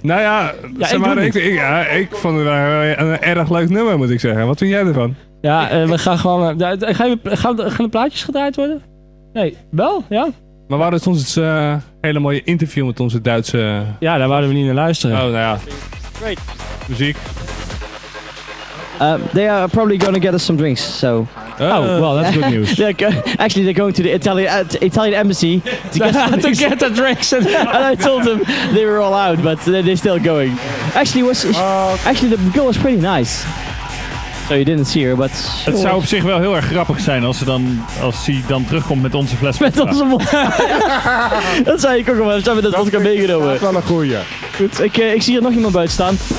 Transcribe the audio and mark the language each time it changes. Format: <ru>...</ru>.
<nl>Nou ja, ik vond het een erg leuk nummer, moet ik zeggen. Wat vind jij ervan? Ja, we gaan gewoon... Gaan de plaatjes gedraaid worden? Nee, wel, ja. Maar waren het soms een hele mooie interview met onze Duitse... Ja, daar wouden we niet naar luisteren. Oh, nou ja. Great. Muziek.</nl> <en>They are probably going to get us some drinks, so... Oh, well, that's good news. actually, they're going to the Italian embassy to get, to get the drinks. And I told them they were all out, but they're still going. Actually, the girl was pretty nice. So you didn't see her, but... Sure.</en> <nl>Het zou op zich wel heel erg grappig zijn als hij dan terugkomt met onze fles. Met onze mond. Dat zei ik ook al, maar dat heb ik dat meegenomen. Dat is wel een goeie. Goed, ik zie er nog iemand buiten staan.</nl>